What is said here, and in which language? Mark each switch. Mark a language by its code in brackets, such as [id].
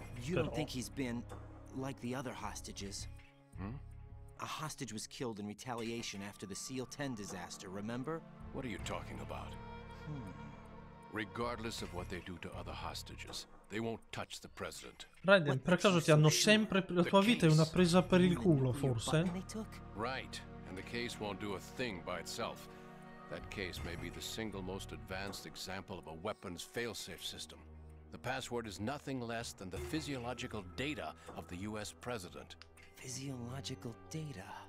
[en] You don't think he's been like the other hostages? Hmm? A hostage was killed in retaliation after the Seal 10 disaster, remember? What are you talking about? Regardless of what they do to other hostages, they won't touch the president. [it] Raiden, per caso ti hanno sempre... La tua vita è una presa per il culo, forse? [en] Right, and the case won't do a thing by itself. That case may be the single most advanced example of a weapons failsafe system. The password is nothing less than the physiological data of the US president. Physiological data.